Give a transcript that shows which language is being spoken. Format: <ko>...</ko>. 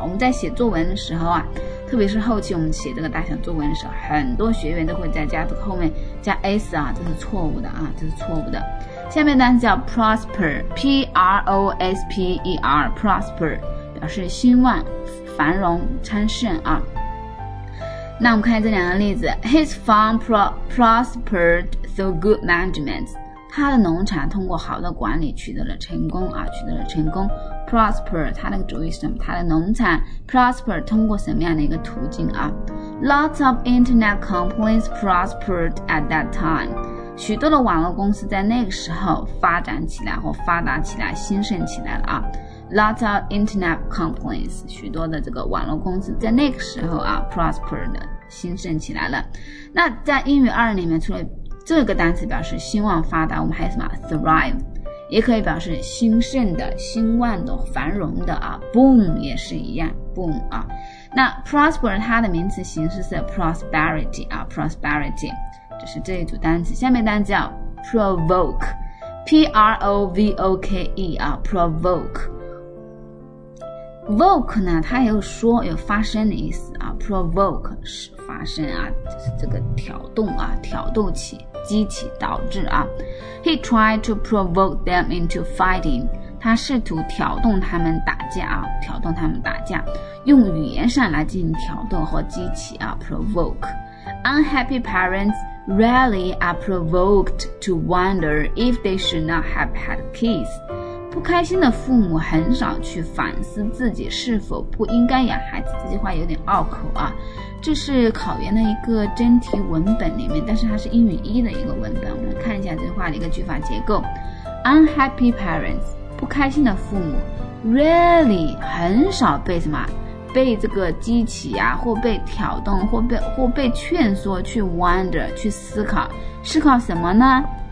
<zh>我们在写作文的时候啊，特别是后期我们写这个大小作文的时候，很多学员都会在加这个后面加 s 啊，这是错误的啊，这是错误的。下面单词叫 prosper，P-R-O-S-P-E-R， prosper 表示兴旺、繁荣、昌盛啊。那我们看这两个例子 ，</zh> <en>His farm prospered through good management。</en> <zh>他的农场通过好的管理取得了成功啊，取得了成功。 Prosper， 他的主语是什么？他的农场 prosper 通过什么样的一个途径啊 ？</zh> <en>Lots of internet companies prospered at that time。</en> <zh>许多的网络公司在那个时候发展起来或发达起来，兴盛起来了啊。</zh> <en>Lots of internet companies，</en> <zh>许多的这个网络公司在那个时候啊 prospered 兴盛起来了。那在英语二里面，除了这个单词表示兴旺发达，我们还有什么 thrive， 也可以表示兴盛的、兴旺的、繁荣的啊。 boom 也是一样 ，boom 啊。那 prosper 它的名词形式是 prosperity 啊 ，prosperity， 这是这一组单词。下面单词叫 provoke，p r o v o k e 啊 ，provoke。 voke 呢，它也有说有发声的意思啊 ，provoke 是发声啊，就是这个挑动啊，挑动起、激起、导致啊。</zh> <en>He tried to provoke them into fighting，</en> <zh>他试图挑动他们打架啊，挑动他们打架，用语言上来进行挑动和激起啊 ，provoke。</zh> <en>Unhappy parents rarely are provoked to wonder if they should not have had kids。</en> <zh>不开心的父母很少去反思自己是否不应该养孩子，这句话有点拗口啊。这是考研的一个真题文本里面，但是它是英语一的一个文本。我们看一下这句话的一个句法结构。</zh> <en>Unhappy parents，</en> <zh>不开心的父母 ，rarely 很少被什么，被这个激起啊，或被挑动，或被劝说去 wonder 去思考，思考什么呢？</zh>